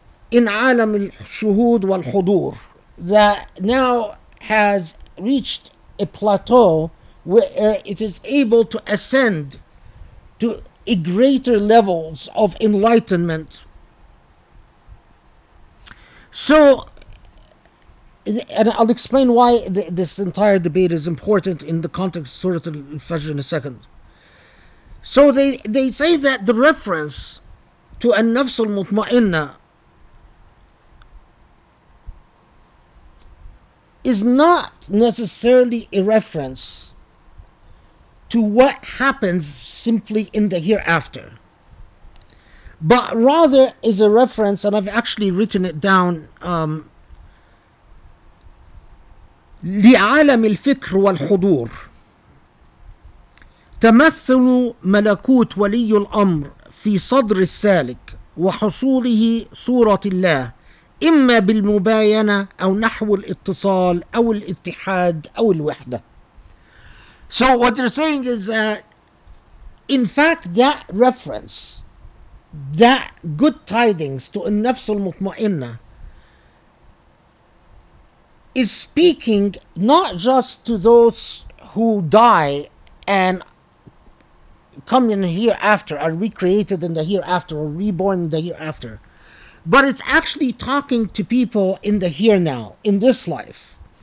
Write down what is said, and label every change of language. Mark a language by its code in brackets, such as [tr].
[en] in alam al-shuhud wal-hudur, that now has reached a plateau where it is able to ascend to a greater levels of enlightenment. So, And I'll explain why this entire debate is important in the context of Surah Al-Fajr in a second. So they say that the reference to an-nafs al-mutma'inna is not necessarily a reference to what happens simply in the hereafter, but rather is a reference, and I've actually written it down, [ar] لعالم الفكر والحضور تمثل ملكوت ولي الأمر في صدر السالك وحصوله صورة الله إما بالمباينة أو نحو الاتصال أو الاتحاد أو الوحدة. [en] So what they're saying is that in fact that reference, that good tidings to [ar] النفس المطمئنة, [en] is speaking not just to those who die and come in the hereafter, are recreated in the hereafter or reborn in the hereafter, but it's actually talking to people in the here now, in this life.